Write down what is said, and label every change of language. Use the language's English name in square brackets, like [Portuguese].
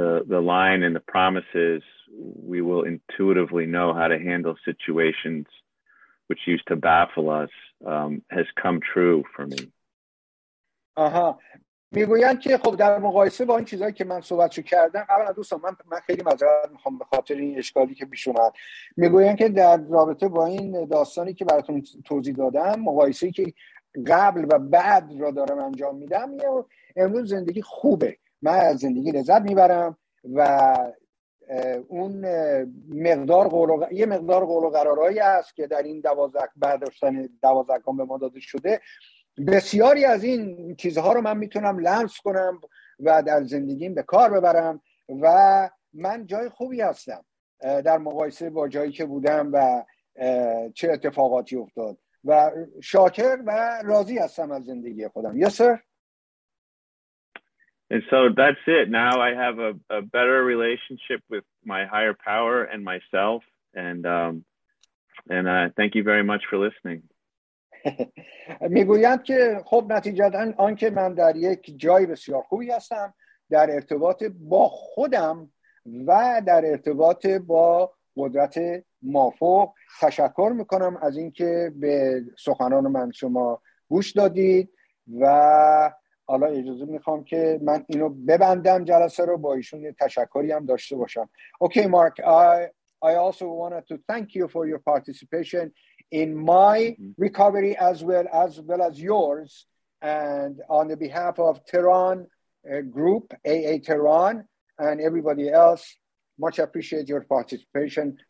[English] The line and the promises, we will intuitively know how to handle situations which used to baffle us, has come true for me. Uh-huh. [Persian] میگویان که خب در مقایسه با این چیزایی که من صحبتشو کردم، اولا دوستان من خیلی معذرت میخوام به خاطر این اشکالی که پیش اومد. میگویان که در رابطه با این داستانی که براتون توضیح دادم، مقایسه‌ای که قبل و بعد را دارم انجام میدم، امروز زندگی خوبه، من از زندگی لذت میبرم و اون مقدار قول و یه مقدار قول و قرارایی است که در این 12 برداشتن 12 گام به ما داده شده، بسیاری از این چیزها رو من میتونم لمس کنم و در زندگیم به کار ببرم و من جای خوبی هستم در مقایسه با جایی که بودم و چه اتفاقاتی افتاد و شاکر و راضی هستم از زندگی خودم. [English] Yes, sir. And so that's it. Now I have a better relationship with my higher power and myself, and thank you very much for listening. [Persian] میگویند که خب نتیجتا آن که من در یک جای بسیار خوبی هستم، در ارتباط با خودم و در ارتباط با قدرت مافوق. تشکر میکنم از اینکه به سخنان من شما گوش دادید و حالا اجازه میخوام که من اینو ببندم جلسه رو، با ایشون یه تشکری هم داشته باشم. [English] Okay Mark, I also wanted to thank you for your participation in my recovery as well as yours, and on the behalf of Tehran group, AA Tehran, and everybody else, much appreciate your participation.